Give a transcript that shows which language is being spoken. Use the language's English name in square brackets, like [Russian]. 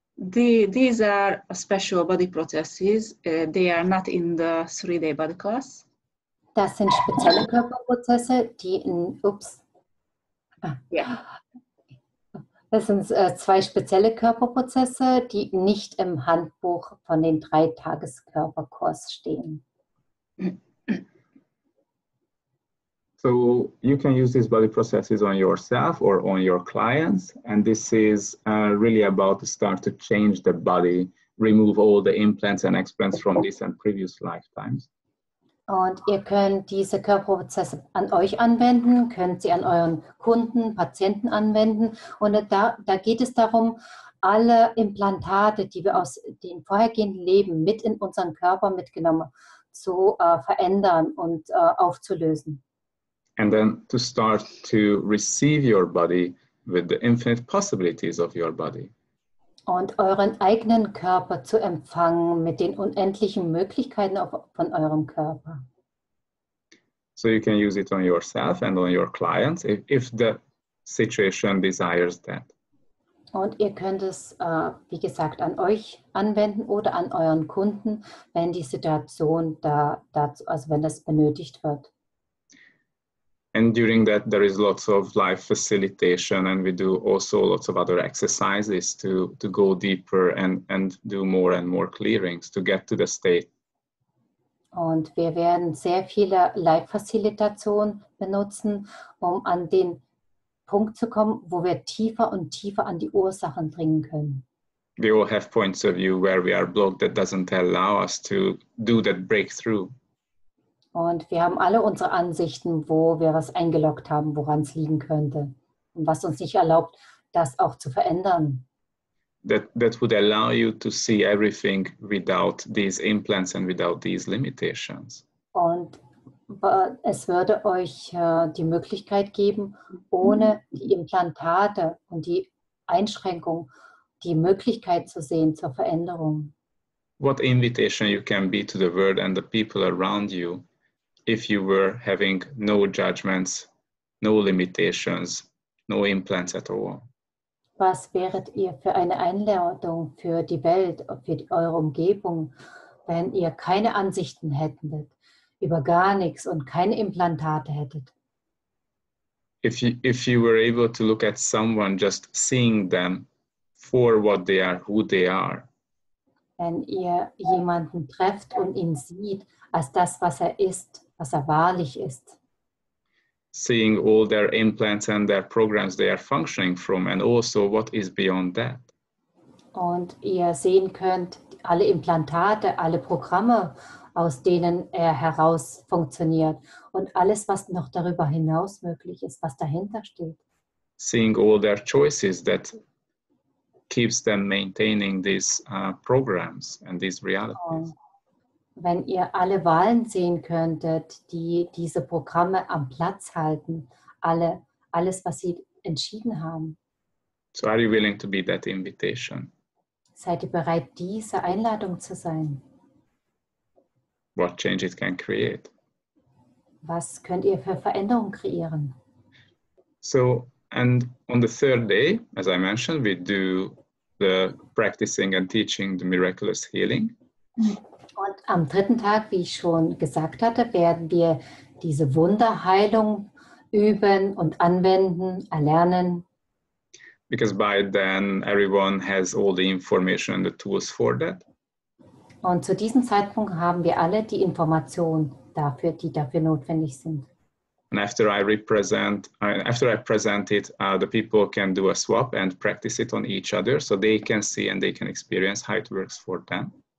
[English] These are special body processes. They are not in the three-day body class. [German] Das sind spezielle Körperprozesse, die in... Ups. Ja. Das sind zwei spezielle Körperprozesse, die nicht im Handbuch von den 3-Tages-Körperkurs stehen. [English] So you can use these body processes on yourself or on your clients. And this is really about to start to change the body, remove all the implants and explants from this and previous lifetimes. [German] Und ihr könnt diese Körperprozesse an euch anwenden, könnt sie an euren Kunden, Patienten anwenden. Und da geht es darum, alle Implantate, die wir aus dem vorhergehenden Leben mit in unseren Körper mitgenommen haben, zu verändern und aufzulösen. [English] And then to start to receive your body with the infinite possibilities of your body. [German] Und euren eigenen Körper zu empfangen mit den unendlichen Möglichkeiten von eurem Körper. [English] So you can use it on yourself and on your clients if the situation desires that. [German] Und ihr könnt es, wie gesagt, an euch anwenden oder an euren Kunden, wenn die Situation wenn das benötigt wird. [English] And during that, there is lots of life facilitation, and we do also lots of other exercises to go deeper and do more and more clearings to get to the state. [German] Und wir werden sehr viele Life Facilitation benutzen, um an den Punkt zu kommen, wo wir tiefer und tiefer an die Ursachen dringen können. [English] We all have points of view where we are blocked that doesn't allow us to do that breakthrough. [German] Und wir haben alle unsere Ansichten, wo wir was eingeloggt haben, woran es liegen könnte. Und was uns nicht erlaubt, das auch zu verändern. [English] That would allow you to see everything without these implants and without these limitations. [German] Und es würde euch die Möglichkeit geben, ohne die Implantate und die Einschränkung, die Möglichkeit zu sehen zur Veränderung. [English] What invitation you can be to the world and the people around you. If you were having no judgments, no limitations, no implants at all. [German] Was wäret ihr für eine Einladung für die Welt, für eure Umgebung, wenn ihr keine Ansichten hättet, über gar nichts und keine Implantate hättet? [English] If you were able to look at someone, just seeing them for what they are, who they are. [German] Wenn ihr jemanden trefft und ihn sieht, als das, was er ist, was er wahrlich ist. [English] Seeing all their implants and their programs they are functioning from and also what is beyond that. [German] Und ihr sehen könnt alle Implantate, alle Programme, aus denen er heraus funktioniert und alles, was noch darüber hinaus möglich ist, was dahinter steht. [English] Seeing all their choices that keeps them maintaining these programs and these realities. [German] Wenn ihr alle Wahlen sehen könntet, die diese Programme am Platz halten, alles, was sie entschieden haben. [English] So are you willing to be that invitation? [German] Seid ihr bereit, diese Einladung zu sein? [English] What change it can create? [German] Was könnt ihr für Veränderungen kreieren? [English] So, and on the third day, as I mentioned, we do the practicing and teaching the miraculous healing. [German] Und am dritten Tag, wie ich schon gesagt hatte, werden wir diese Wunderheilung üben und anwenden, erlernen. [English] Because by then everyone has all the information and the tools for that. [German] Und zu diesem Zeitpunkt haben wir alle die Informationen dafür, die dafür notwendig sind. [English] And after I present it, the people can do a swap and practice it on each other, so they can see and they can experience how it works for them.